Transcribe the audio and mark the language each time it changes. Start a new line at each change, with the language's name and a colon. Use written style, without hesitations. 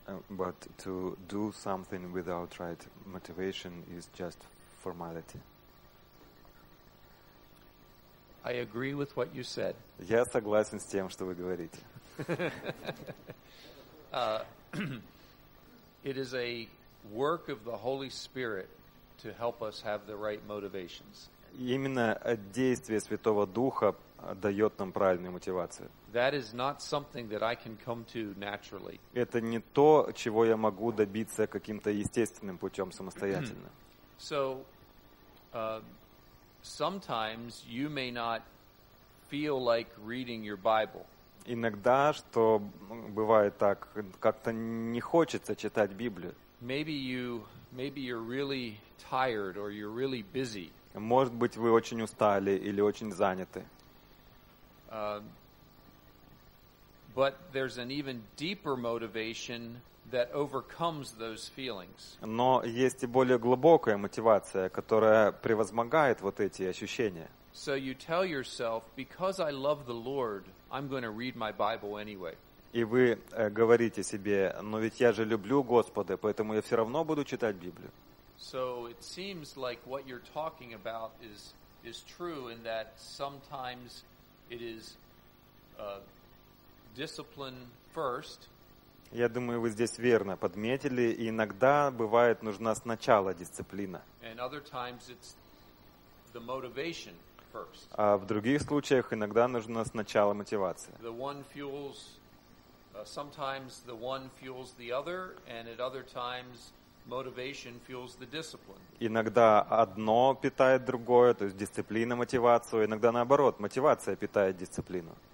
English: But to do something without right motivation is just formality. I agree with what you said.
Russian: Я согласен с тем, что вы говорите.
English: It is a work of the Holy Spirit to help us have the right motivations.
Russian: Именно действие Святого Духа дает нам правильную мотивацию.
English: That is not something that I can come to naturally.
Russian: Это не то, чего я могу добиться каким-то естественным путем самостоятельно.
English: So, sometimes you may not feel like reading your Bible.
Russian: Иногда, что бывает так, как-то не хочется читать Библию.
English: Maybe you're really tired or you're really busy.
Russian: Может быть, вы очень устали или очень заняты.
English: But there's an even deeper motivation that overcomes those feelings.
Russian: Но есть и более глубокая мотивация, которая превозмогает вот эти ощущения.
English: So you tell yourself, because I love the Lord, I'm going to read my Bible anyway.
Russian: И вы говорите себе, но ведь я же люблю Господа, поэтому я все равно буду читать Библию.
English: So it seems like what you're talking about is true in that sometimes it is discipline first.
Russian: Я думаю, вы здесь верно подметили, и иногда бывает нужна сначала дисциплина.
English: And other times it's the motivation first.
Russian: А в других случаях иногда нужна сначала мотивация.
English: The one fuels sometimes the one fuels the other, and at other times motivation fuels the discipline.
Russian: Иногда одно питает другое, то есть дисциплина мотивацию, иногда наоборот, мотивация питает дисциплину.